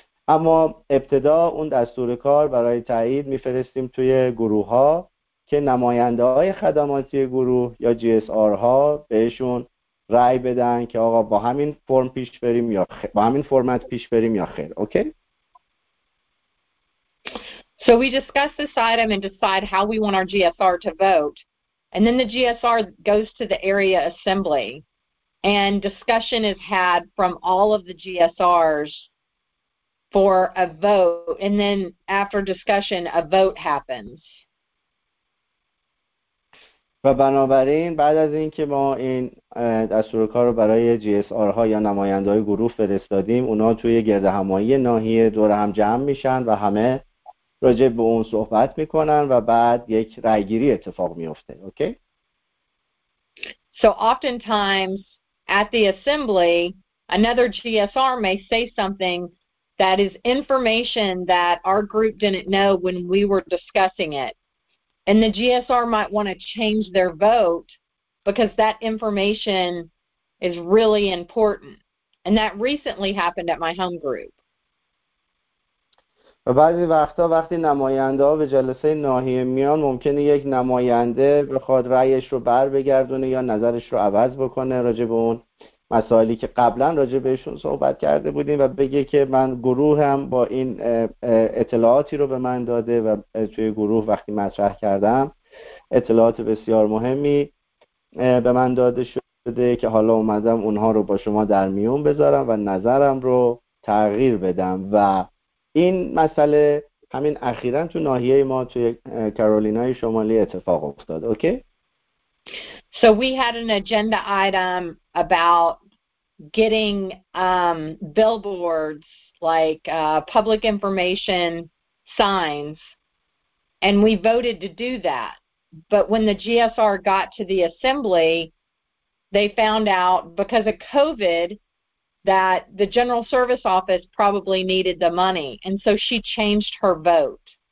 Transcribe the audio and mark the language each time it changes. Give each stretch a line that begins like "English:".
Persian: اما ابتدا اون دستور کار برای تایید میفرستیم توی گروه ها که نماینده های خدماتی گروه یا جی اس آر ها بهشون رأی بدن که آقا با همین فرم پیش بریم یا با همین فرمت پیش بریم یا خیر.
English: Okay? So we discuss this item and decide how we want our GSR to vote. And then the GSR goes to the area assembly. And discussion is had from all of the GSRs for a vote. And then after discussion, a vote happens.
Persian: و بنابراین بعد از اینکه ما این دستور کار رو برای جی اس آر ها یا نماینده های گروه فرستادیم، اونا توی گرد همایی ناحیه دور هم جمع میشن و همه راجع به اون صحبت میکنن و بعد یک رای گیری اتفاق میفته.
English: Okay? So oftentimes at the assembly, another GSR may say something that is information that our group didn't know when we were discussing it. And the GSR might want to change their vote because that information is really important. And that recently happened at my home group.
Persian: و بعضی وقتا وقتی نماینده ها به جلسه ناحیه میان، ممکنه یک نماینده بخواد رأیش رو بر بگردونه یا نظرش رو عوض بکنه راجع به اون مسائلی که قبلا راجع بهشون صحبت کرده بودیم و بگه که من گروهم با این اطلاعاتی رو به من داده و توی گروه وقتی مطرح کردم اطلاعات بسیار مهمی به من داده شده که حالا اومدم اونها رو با شما در میون بذارم و نظرم رو تغییر بدم. و این مسئله همین اخیرا تو ناحیه ما توی کارولینای شمالی اتفاق افتاد.
English: Okay? So we had an agenda item about getting billboards, like public information signs, and we voted to do that. But when the GSR got to the assembly, they found out because of COVID that the General Service Office probably needed the money, and so she changed her vote.